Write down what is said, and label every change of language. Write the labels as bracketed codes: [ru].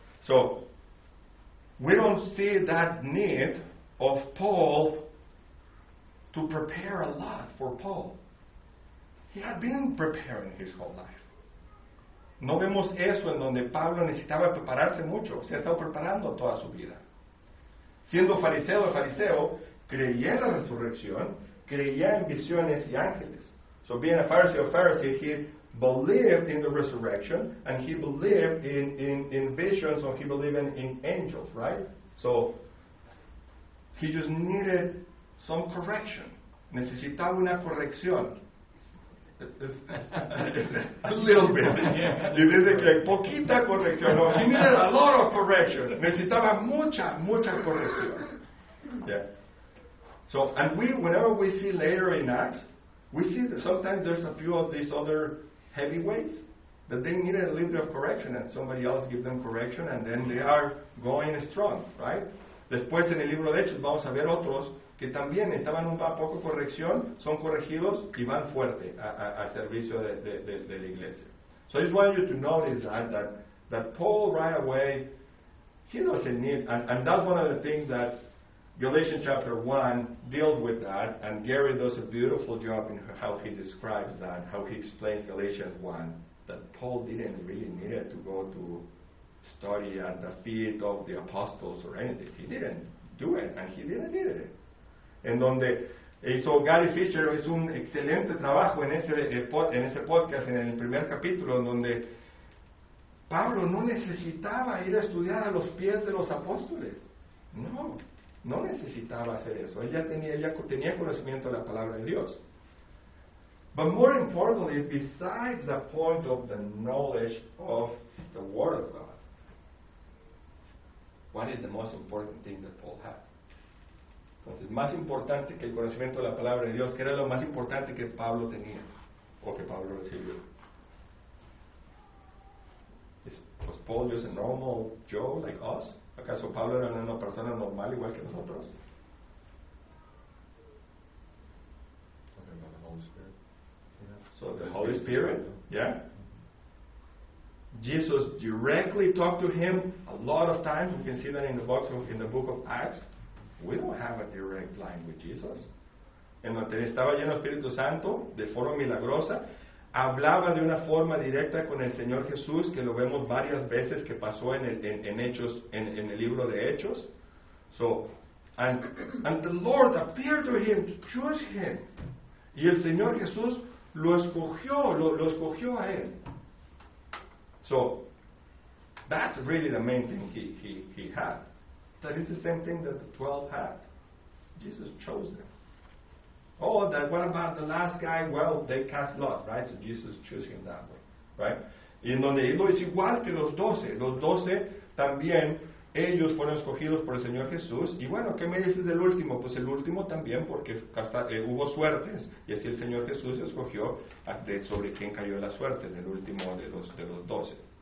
[en] So we don't see that need of Paul to prepare a lot for Paul. He had been preparing his whole life. [es] No vemos eso en donde Pablo necesitaba prepararse mucho. Se ha estado preparando toda su vida. Siendo fariseo de fariseo, creía en la resurrección, creía en visiones y ángeles. [en] So being a Pharisee of Pharisees, he believed in the resurrection, and he believed in visions, or he believed in angels, right? So, he just needed some correction. [es] Necesitaba una corrección. [en] A little bit. [es] Y dice que hay poquita corrección. [en] No, he needed a lot of correction. [es] Necesitaba mucha, mucha corrección. Yeah. [en] So, and we, whenever we see later in Acts, we see that sometimes there's a few of these other heavyweights that they needed a little bit of correction and somebody else give them correction and then they are going strong, right? [es] Después en el libro de Hechos vamos a ver otros que también estaban un poco corrección, son corregidos y van fuerte a servicio de la iglesia. [en] So I just want you to notice that Paul right away, he doesn't need, and that's one of the things that Galatians chapter 1 deals with that, and Gary does a beautiful job in how he describes that, how he explains Galatians 1, that Paul didn't really need to go to study at the feet of the apostles or anything. He didn't do it, and he didn't need it. [es] En donde hizo Gary Fisher es un excelente trabajo en ese podcast, en el primer capítulo, en donde Pablo no necesitaba ir a estudiar a los pies de los apóstoles. No necesitaba hacer eso. Él ya tenía conocimiento de la palabra de Dios. [en] But more importantly, besides the point of the knowledge of the Word of God, what is the most important thing that Paul had? [es] Entonces, más importante que el conocimiento de la palabra de Dios, ¿qué era lo más importante que Pablo tenía o que Pablo recibió? [en] ¿Was Paul just a normal Joe like us? [es] ¿Acaso Pablo era una persona normal igual que nosotros? [en] Talking about the Holy Spirit. Yeah. So the Holy Spirit, yeah? Mm-hmm. Jesus directly talked to him a lot of times. You can see that in the book of Acts. We don't have a direct line with Jesus. [es] En donde estaba lleno Espíritu Santo de forma milagrosa, hablaba de una forma directa con el Señor Jesús, que lo vemos varias veces que pasó en el libro de Hechos. [en] So, and the Lord appeared to him to choose him. [es] Y el Señor Jesús lo escogió a él. [en] So, that's really the main thing he had. That is the same thing that the 12 had. Jesus chose them. Oh, that what about the last guy? Well, they cast lots, right? So Jesus chose him that way, right? [es] Y en donde él es igual que los 12. Los 12 también, ellos fueron escogidos por el Señor Jesús. Y bueno, ¿qué me dices del último? Pues el último también, porque hubo suertes. Y así el Señor Jesús escogió sobre quién cayó la suerte, del último de los 12.